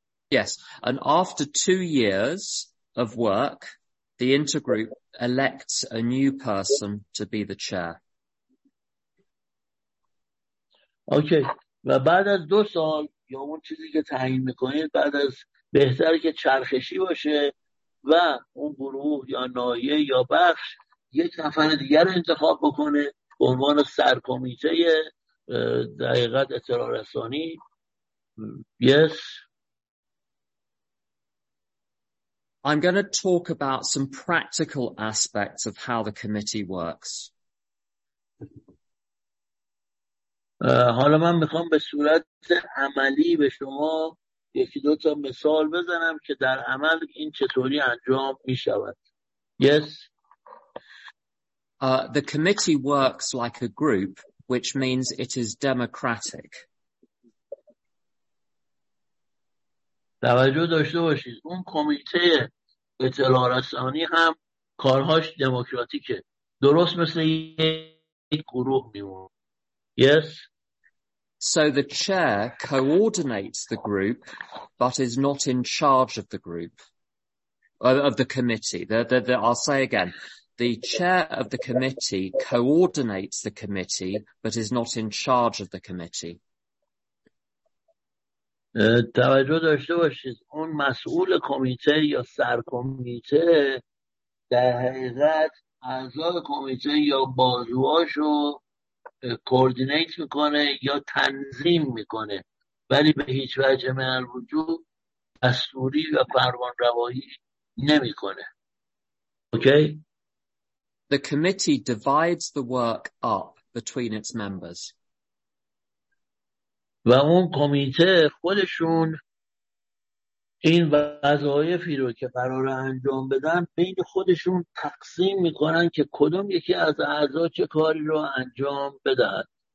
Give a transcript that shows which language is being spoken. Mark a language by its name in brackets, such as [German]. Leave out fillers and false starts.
[English] Yes. And after 2 years of work, the intergroup elects a new person to be the chair. Okay. [Persian] و بعد از 2 سال یا اون چیزی که تعیین میکنید بعد از بهتر که چرخشی باشه و اون گروه یا ناحیه یا بخش یک نفر دیگر انتخاب بکنه به عنوان سرکمیته دقیقت اطلاع رسانی. [English] Yes. I'm going to talk about some practical aspects of how the committee works. [Persian] حالا من میخوام به صورت عملی به شما یکی دو تا مثال بزنم که در عمل این چطوری انجام میشود. [English] Yes. The committee works like a group, which means it is democratic. [Persian] توجه داشته باشید. اون کمیته اطلاع رسانی هم کارهاش دموکراتیکه. درست مثل یک گروه میمونه. [English] Yes. So the chair coordinates the group, but is not in charge of the group, of the committee. I'll say again, the chair of the committee coordinates the committee, but is not in charge of the committee. [Persian] توجه داشته باشید. اون مسئول کمیته یا سرکمیته در حقیقت اعضای کمیته یا بازوهاشو کوردینیت میکنه یا تنظیم میکنه ولی به هیچ وجه من الوجود دستوری و فرمان روایی نمیکنه. [English] Okay. The committee divides the work up between its members. [Persian] و اون کمیته خودشون این وظایفی رو که قرار انجام بدن بین خودشون تقسیم میکنن که کدوم یکی از اعضا چه کاری رو انجام بدهد.